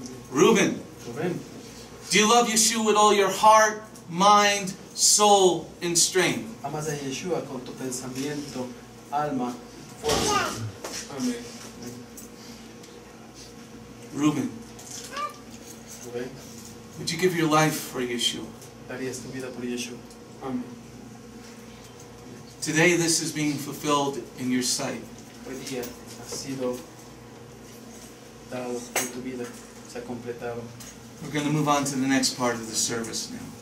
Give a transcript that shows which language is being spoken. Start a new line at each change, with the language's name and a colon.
English: Ruben, do you love Yeshua with all your heart, mind, soul, and strength?
Spanish: Amas a Yeshua con tu pensamiento, alma, fuerza. Amén.
English: Ruben, would you give your life for Yeshua?
Spanish: Darías tu vida por Yeshua. Amén.
English: Today this is being fulfilled in your sight.
Spanish: Hoy día ha sido dado en tu vida, se ha completado.
English: We're going to move on to the next part of the service now.